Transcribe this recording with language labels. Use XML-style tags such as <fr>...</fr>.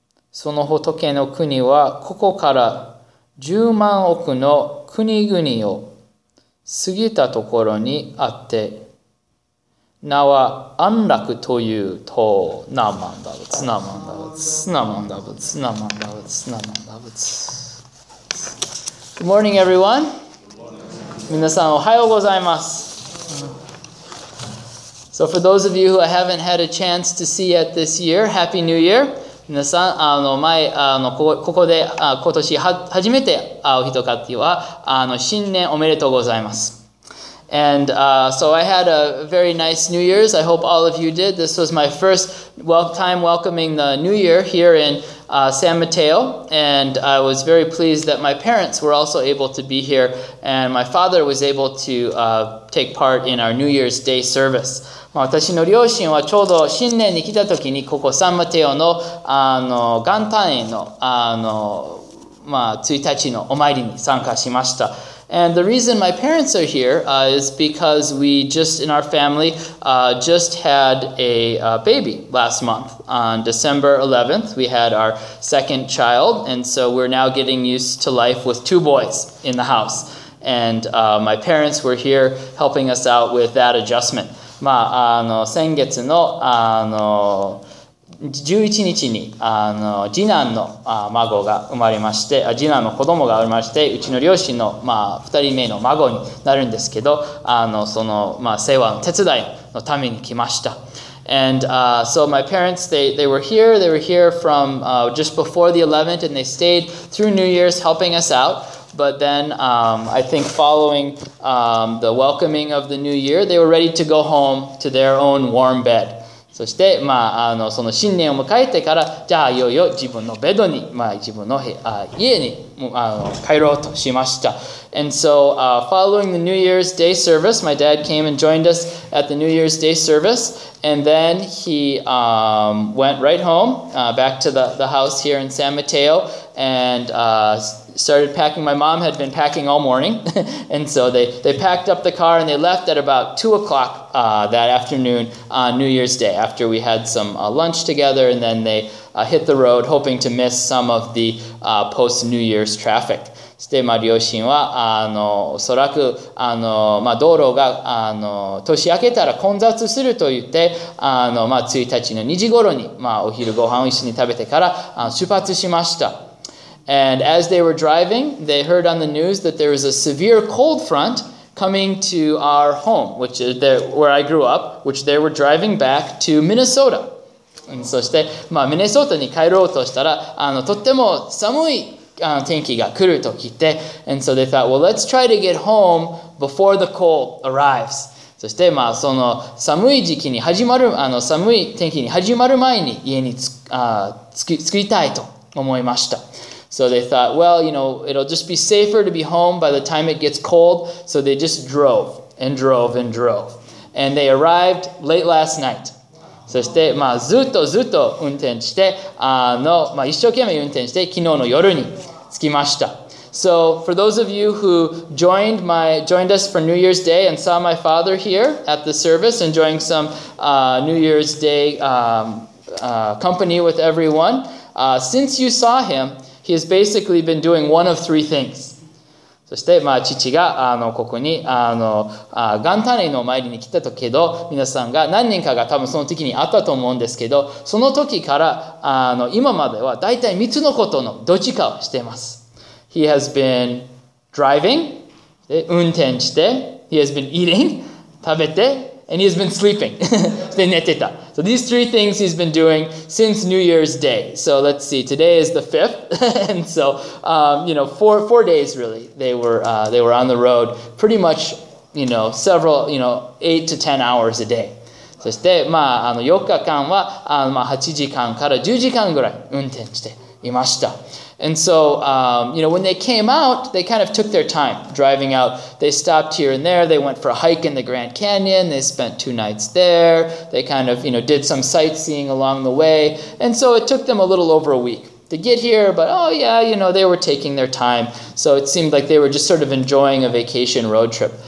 <ja>その仏の国はここから十万億の国々を過ぎたところにあって、名は安楽という塔。ナマンダブツ、ナマンダブツ、ナマンダブツ、ナマンダブツ、ナマンダブツ。</ja> <en>Good morning, everyone.</en> <ja>皆さん、おはようございます。</ja> <en>So for those of you who I haven't had a chance to see yet this year, Happy New Year.</en> <ja>皆さん、ここで今年初めて会う人かっていうは、新年おめでとうございます。</ja> <en>And so I had a very nice New Year's. I hope all of you did. This was my first time welcoming the New Year here in San Mateo. And I was very pleased that my parents were also able to be here. And my father was able to take part in our New Year's Day service.</en> <ja>まあ、私の両親はちょうど新年に来た時にここサンマテオの、元旦への、まあ、1日のお参りに参加しました。</ja> <en>And the reason my parents are here is because we just in our family just had a baby last month on December 11th. We had our second child, and so we're now getting used to life with two boys in the house. And my parents were here helping us out with that adjustment.</en> <ja>まあ、先月の、11日に次男の孫が生まれまして、次男の子供が生まれまして、うちの両親の、まあ、2人目の孫になるんですけど、その、まあ、世話の手伝いのために来ました。</ja> <en>And so my parents, they were here. They were here from just before the 11th, and they stayed through New Year's helping us out. But then I think following the welcoming of the New Year, they were ready to go home to their own warm bed.</en> <ja>そして、まあ、その新年を迎えてから、じゃあ、いよいよ自分のベッドに、まあ、自分の家に帰ろうとしました。</ja> <en>And so, following the New Year's Day service, my dad came and joined us at the New Year's Day service, and then he went right home, back to the house here in San Mateo, and started packing. My mom had been packing all morning, and so they packed up the car and they left at about 2 o'clock that afternoon on New Year's Day after we had some lunch together, and then they hit the road hoping to miss some of the post-New Year's traffic.</en> <ja>して、まあ、両親は、おそらく、まあ、道路が、年明けたら混雑すると言って、まあ、1日の2時頃に、まあ、お昼ご飯を一緒に食べてから、出発しました。</ja> <en>And as they were driving, they heard on the news that there was a severe cold front coming to our home, which is where I grew up, which they were driving back to Minnesota. And</en> <ja>そして、まあ、ミネソータに帰ろうとしたら、とっても寒い天気が来ると聞いて、</ja> <en>and so they thought, well, let's try to get home before the cold arrives.</en> <ja>そして、まあ、その寒い時期に始まる、寒い天気に始まる前に家に作りたいと思いました。</ja> <en>So they thought, well, you know, it'll just be safer to be home by the time it gets cold. So they just drove. and drove and drove. And they arrived late last night.</en> <ja>そして、まあ、ずっとずっと運転して、まあ、一生懸命運転して、昨日の夜に着きました。</ja> <en>So, for those of you who joined us for New Year's Day and saw my father here at the service enjoying some, New Year's Day, company with everyone, since you saw him, he has basically been doing one of three things.</en> <ja>そして、まあ、父が、ここに、元旦の参りに来たとけど、皆さんが、何人かが多分その時に会ったと思うんですけど、その時から、今までは大体3つのことのどっちかをしています。</ja> <en>He has been driving,</en> <ja>で運転して、</ja> <en>He has been eating,</en> <ja>食べて、</ja> <en>and He has been sleeping,</en> <ja>で寝てた。</ja> <en>So these three things he's been doing since New Year's Day. So let's see, today is the 5th. And so, you know, four days really, they were on the road pretty much, you know, several, you know, 8 to 10 hours a day. そして、まあ、4日間は、まあ、8時間から10時間ぐらい運転していました。 And so, you know, when they came out, they kind of took their time driving out. They stopped here and there. They went for a hike in the Grand Canyon. They spent two nights there. They kind of, you know, did some sightseeing along the way. And so it took them a little over a week to get here. But, oh, yeah, you know, they were taking their time. So it seemed like they were just sort of enjoying a vacation road trip.</en>